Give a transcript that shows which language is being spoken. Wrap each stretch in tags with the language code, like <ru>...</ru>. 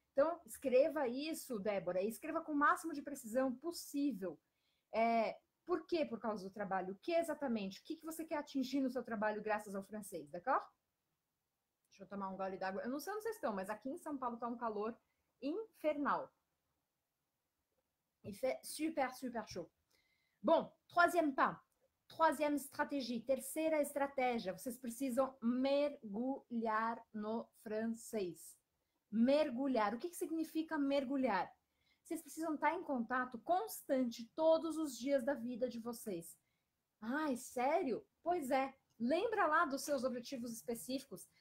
<pt>Então, escreva isso, Débora, e escreva com o máximo de precisão possível. Por quê? Por causa do trabalho? O que exatamente? O que você quer atingir no seu trabalho graças ao francês, d'accord? Deixa eu tomar um gole d'água. Eu não sei onde vocês estão, mas aqui em São Paulo está um calor infernal.</pt> <fr>Il fait super, super chaud. Bom, troisième pas. Troisième stratégie.</fr> <pt>Terceira estratégia. Vocês precisam mergulhar no francês. Mergulhar. O que significa mergulhar? Vocês precisam estar em contato constante todos os dias da vida de vocês. Ai, sério? Pois é. Lembra lá dos seus objetivos específicos?</pt>